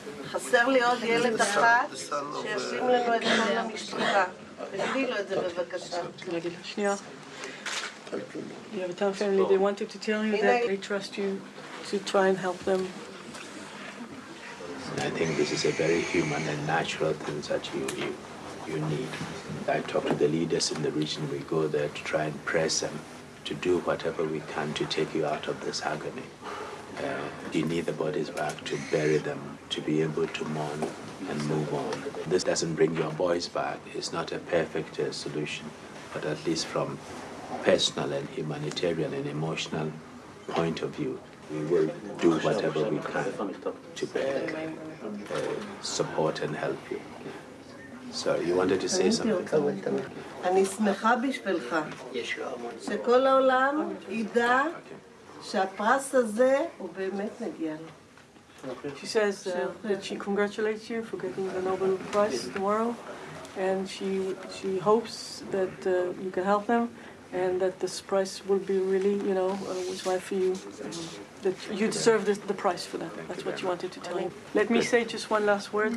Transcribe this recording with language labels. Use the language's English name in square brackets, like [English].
[Hebrew] חסר לי עוד ילד אחת שישים לנו את כל המשפחה. תגידי לו את זה בבקשה. שנייה. [English] You have a town family, they wanted to tell you that they trust you to try and help them. I think this is a very human and natural thing that you need. I talk to the leaders in the region, we go there to try and press them to do whatever we can to take you out of this agony. You need the bodies back to bury them, to be able to mourn and move on. This doesn't bring your boys back, it's not a perfect solution, but at least from personal and humanitarian and emotional point of view, we will do whatever we can to support and help you. So you wanted to say something? [Hebrew] אני שמחה בשבילך שכל העולם ידע שהפרס הזה הוא באמת מגיע לו. [English] She says that she congratulates you for getting the Nobel Prize tomorrow, and she hopes that you can help them. And that this prize will be really, you know, was right for you. That you deserve the prize for that. That's what you wanted to tell him. Let me say just one last word.